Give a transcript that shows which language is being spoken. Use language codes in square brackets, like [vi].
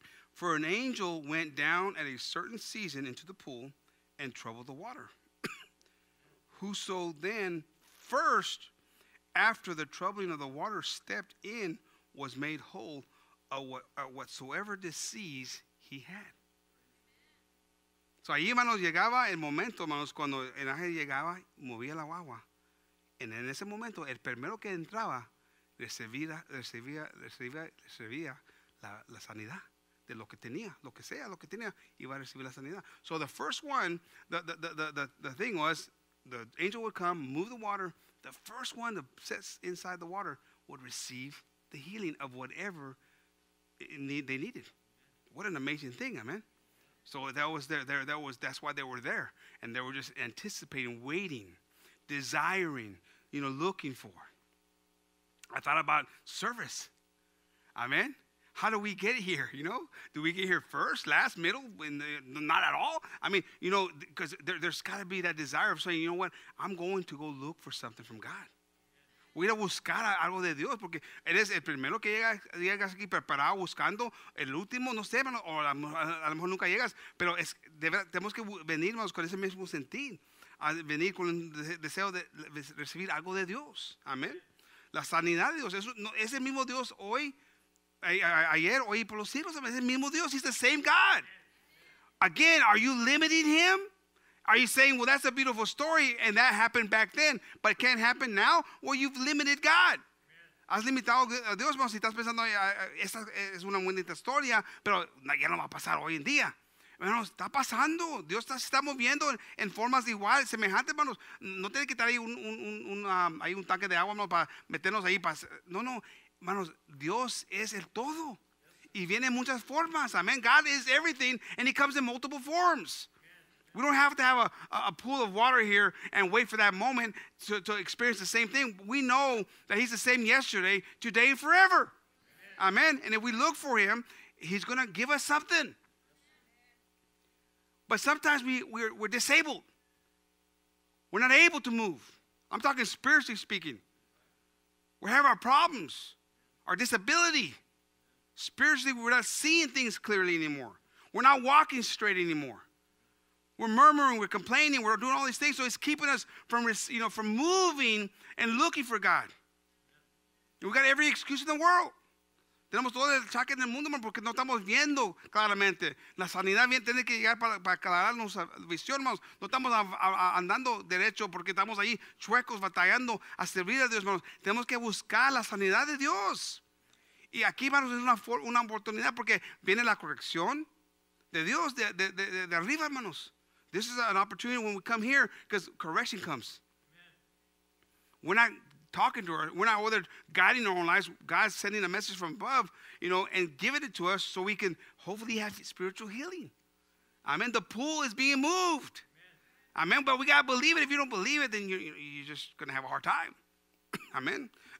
[en] For an angel went down at a certain season into the pool and troubled the water. Whoso then first, after the troubling of the water, stepped in, was made whole, whatsoever disease he had. [es] So ahí, hermanos, llegaba el momento, hermanos, cuando el ángel llegaba, movía la guagua, And en ese momento, el primero que entraba recibía la sanidad de lo que tenía, lo que sea, lo que tenía, iba a recibir la sanidad. [en] So the first one, the thing was, the angel would come, move the water. The first one that sits inside the water would receive the healing of whatever they needed. What an amazing thing, amen. So that was there. That was, that's why they were there. And they were just anticipating, waiting, desiring, you know, looking for. I thought about service. Amen. How do we get here, you know? Do we get here first, last, middle, not at all? I mean, you know, because there's got to be that desire of saying, you know what? I'm going to go look for something from God. [es] Voy a buscar algo de Dios, porque eres el primero que llegas aquí preparado buscando el último, no sé, o a lo mejor nunca llegas, pero es de verdad, tenemos que venir con ese mismo sentir, a venir con el deseo de recibir algo de Dios, amén. La sanidad de Dios, es el mismo Dios hoy, ayer, hoy por los siglos, es el mismo Dios, [en] he's the same God. Again, are you limiting him? Are you saying, well, that's a beautiful story, and that happened back then, but it can't happen now? Well, you've limited God. [es] Has limitado a Dios, si estás pensando, esta es una bonita historia, pero ya no va a pasar hoy en día. Hermanos, está pasando. Dios se está moviendo en formas iguales, semejantes, hermanos. No tiene que estar ahí un tanque de agua, hermanos, para meternos ahí. No. Hermanos, Dios es el todo. Y viene en muchas formas. Amen. [en] God is everything, and he comes in multiple forms. We don't have to have a pool of water here and wait for that moment to experience the same thing. We know that he's the same yesterday, today, and forever. Amen. Amen. And if we look for him, he's going to give us something. But sometimes we're disabled. We're not able to move. I'm talking spiritually speaking. We have our problems, our disability. Spiritually, we're not seeing things clearly anymore. We're not walking straight anymore. We're murmuring, we're complaining, we're doing all these things. So it's keeping us from moving and looking for God. And we got every excuse in the world. [es] Tenemos todo el chaque en el mundo porque no estamos viendo claramente. La sanidad bien tiene que llegar para aclarar nuestra visión, hermanos. No estamos andando derecho porque estamos ahí chuecos, batallando a servir a Dios, hermanos. Tenemos que buscar la sanidad de Dios. Y aquí, hermanos, es una oportunidad porque viene la corrección de Dios de arriba, hermanos. [en] This is an opportunity when we come here because correction comes. Amen. We're not talking to her. We're not over there guiding our own lives. God's sending a message from above, you know, and giving it to us so we can hopefully have spiritual healing. Amen. The pool is being moved. Amen. But we got to believe it. If you don't believe it, then you're just going to have a hard time. Amen.